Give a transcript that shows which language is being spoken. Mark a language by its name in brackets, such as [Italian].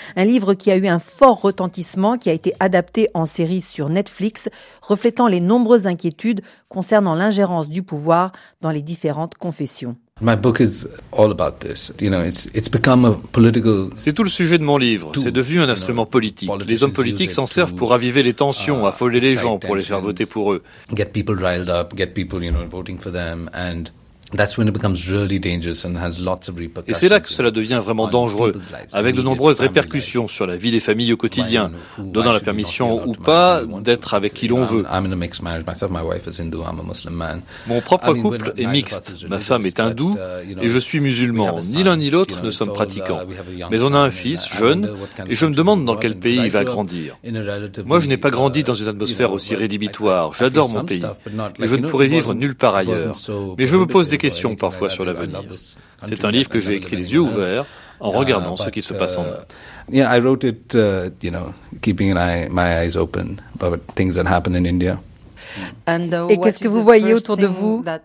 [French] Un livre qui a eu un fort retentissement, qui a été adapté en série sur Netflix, reflétant les nombreuses inquiétudes concernant l'ingérence du pouvoir dans les différentes confessions. [English] My book is all about this. You know, it's become a political. [French] C'est tout le sujet de mon livre. C'est devenu un instrument politique. Les hommes politiques s'en servent pour raviver les tensions, affoler les gens, pour les faire voter pour eux. [English] Get people riled up, get people, you know, voting for them, and that's when it becomes really dangerous and has lots of repercussions. [French] Et c'est là que cela devient vraiment dangereux, avec de nombreuses répercussions sur la vie des familles au quotidien, donnant la permission ou pas d'être avec qui l'on veut. [English] I'm in a mixed marriage. Myself, my wife is Hindu. I'm a Muslim man. [French] Mon propre couple est mixte. Ma femme est hindoue et je suis musulman. Ni l'un ni l'autre ne sommes pratiquants. Mais on a un fils jeune et je me demande dans quel pays il va grandir. Moi, je n'ai pas grandi dans une atmosphère aussi rédhibitoire. J'adore mon pays et je ne pourrais vivre nulle part ailleurs. Mais je me pose des questions parfois sur l'avenir. C'est un livre que j'ai écrit les yeux ouverts en regardant ce qui se passe en Inde. [English] Yeah, I wrote it, you know, keeping my eyes open about things that happen in India. [French] Et qu'est-ce que vous voyez autour de vous?